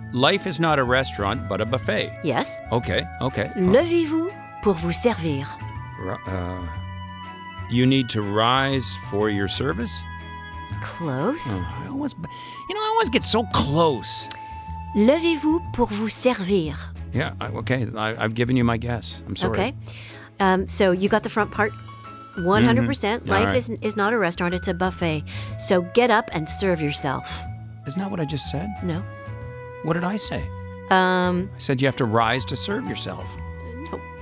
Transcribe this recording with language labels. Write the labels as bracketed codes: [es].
[en] Life is not a restaurant, but a buffet. Yes. Okay. [fr] Levez-vous pour vous servir. [en] You need to rise for your service? Close. I always get so close. [fr] Levez-vous pour vous servir. [en] Yeah, okay. I've given you my guess. I'm sorry. Okay. So you got the front part 100%. Mm-hmm. Life is not a restaurant, it's a buffet. So get up and serve yourself. Isn't that what I just said? No. What did I say? I said you have to rise to serve yourself. No.